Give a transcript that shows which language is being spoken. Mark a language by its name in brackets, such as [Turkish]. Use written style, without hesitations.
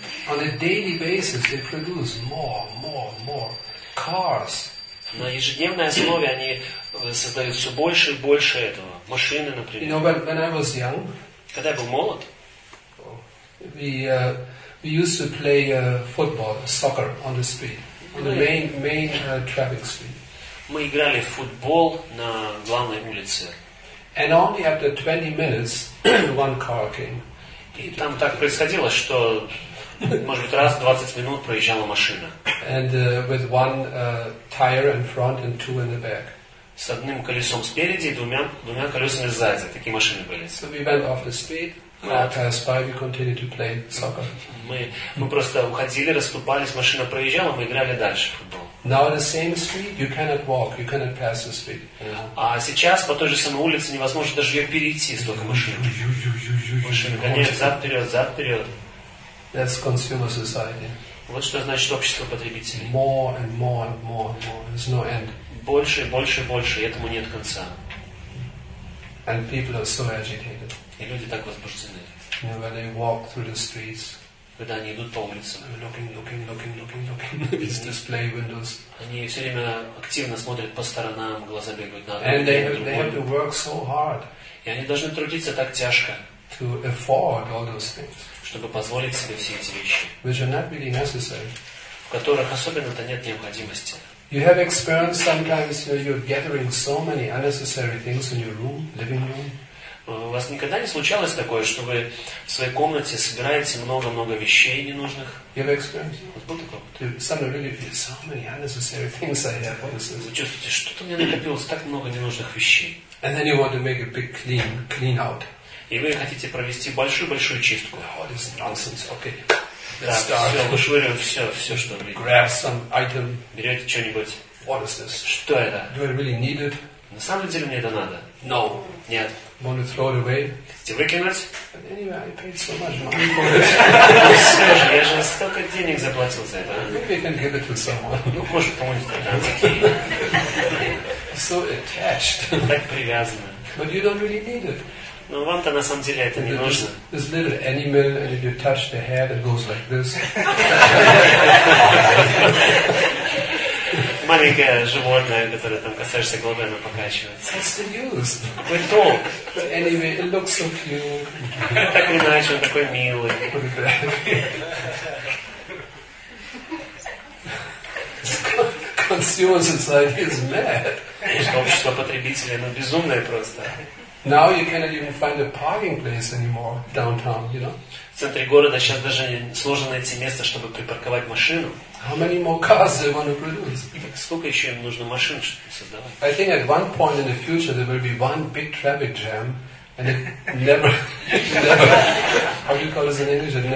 [English] On a daily basis, they produce more cars. [Russian] На ежедневной основе они создают все больше и больше этого. Машины, например. [English] You know, when I was young, [Russian] когда я был молод, [English] we used to play football, soccer on the street, on the main traffic street. [Russian] Мы играли в футбол на главной улице. [English] And only after 20 minutes, one car came. [Russian] И там так происходило, что, может быть, раз в 20 минут проезжала машина. [English] And with one tire in front and two in the back. [Russian] С одним колесом спереди и двумя колесами сзади. Такие машины были. [English] So we went off the street. Passed by, we continued to play soccer. [Russian] Мы просто уходили, расступались, машина проезжала, мы играли дальше в футбол. [English] Now the same street, you cannot walk, you cannot pass the street. [Russian] А сейчас по той же самой улице невозможно даже ее перейти, столько машин. Машины гоняют зад-вперед. [English] That's consumer society. [Russian] Вот что значит общество потребителей. [English] More and more. There's no end. [Russian] больше и больше и больше, и этому нет конца. [English] And people are so agitated. [Russian] И люди так возбуждены. [English] You know, when they walk through the streets, [Russian] когда они идут по улицам, [English] looking these display windows. [Russian] Они все время активно смотрят по сторонам, глаза бегают на одну, [English] and they have to work so hard. [Russian] И они должны трудиться так тяжко, [English] to afford all those things, [Russian] чтобы позволить себе все эти вещи, [English] which are not really necessary. [Russian] В которых особенно-то нет необходимости. [English] You have experienced sometimes, you know, you're gathering so many unnecessary things in your room, living room. [Russian] У вас никогда не случалось такое, что вы в своей комнате собираете много-много вещей ненужных? [English] You have experienced? [Russian] Вот был такой. [English] You suddenly feel so many unnecessary things I have. [Russian] Вы чувствуете, что-то мне накопилось так много ненужных вещей. [English] And then you want to make a big clean out. [Russian] И вы хотите провести большую-большую чистку. [English] Oh, this nonsense. Okay. [Russian] Да, все, вышвыриваем все, что вы [English] grab some item. [Russian] Берете что-нибудь. [English] What is this? [Russian] Что это? [English] Do I really need it? [Russian] На самом деле мне это надо? [English] No. [Russian] Нет. [English] Want to throw it away? [Russian] Хотите выкинуть? [English] But anyway, I paid so much money for it. [Russian] Все же, я же столько денег заплатил за это. [English] Maybe I can give it to someone. [Russian] Ну, может, помните, да, такие. [English] So attached. [Russian] Так привязано. [English] But you don't really need it. [Russian] Но вам-то на самом деле это не нужно. [English] This little animal, and if you touch the head, it goes like this. [Russian] Маленькое животное, которое там касаешься головой, оно покачивается. [English] It's still used. [Russian] Вы толк. [English] But anyway, it looks so cute. [Russian] Так или иначе, он такой милый. [English] Put it back. Consumers inside is mad. [Russian] Общество потребителей, оно безумное просто. [English] Now you cannot even find a parking place anymore downtown, you know. [Russian] В центре города сейчас даже сложно найти место, чтобы припарковать машину. [English] How many more cars they want to produce? [Russian] Сколько еще им нужно машин, чтобы создавать? [English] I think at one point in the future there will be one big traffic jam, and it never how do you call this in English?